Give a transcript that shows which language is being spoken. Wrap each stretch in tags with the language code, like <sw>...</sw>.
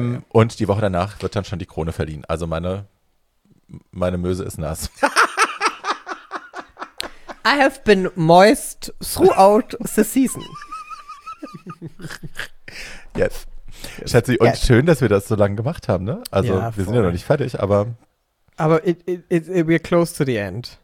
<de>Und die Woche danach wird dann schon die Krone verliehen. Also meine Möse ist nass.</de> <en>I have been moist throughout the season. Yes.</en> <de>Schatzi, und schön, dass wir das so lange gemacht haben, ne? Also, wir sind ja noch nicht fertig, aber... Aber</de> <en>we're close to the end.</en>